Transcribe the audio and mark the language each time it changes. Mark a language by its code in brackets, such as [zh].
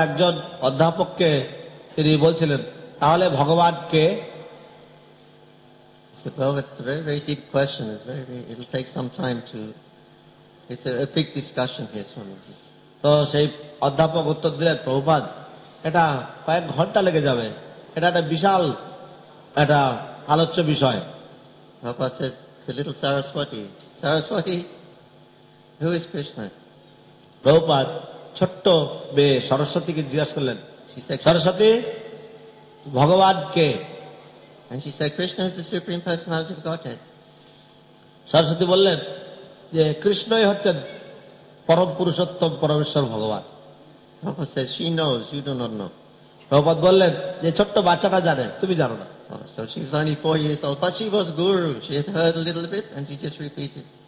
[bn] একজন অধ্যাপককে তিনি বলছিলেন তাহলে ভগবান কে। [en] It's a very, very deep question. It's very, very, it'll take some time to... It's a big discussion here, Swamiji. [bn] So, সেই অধ্যাপক উত্তর দিলেন, প্রভুপাদ, এটা কয়েক ঘন্টা লেগে যাবে, এটা একটা বিশাল একটা আলোচ্য বিষয়। [en] Prabhupada said, it's a little Saraswati. Saraswati, who is Krishna? [bn] Prabhupada ছোট্ট মেয়ে সরস্বতীকে জিজ্ঞাসা করলেন, সরস্বতী, ভগবান কে? [en] And she said, Krishna is the Supreme Personality of Godhead. [bn] Saraswati bollen je Krishna hi hocchen পরম পুরুষোত্তম পরমেশ্বর ভগবান। [en] Prabhupada said, she knows, you do not know. [bn] Prabhupada বললেন যে ছোট্ট বাচ্চাটা জানে, তুমি জানো না। [en] So she was only 4 years old, but she was guru. She had heard a little bit and she just repeated.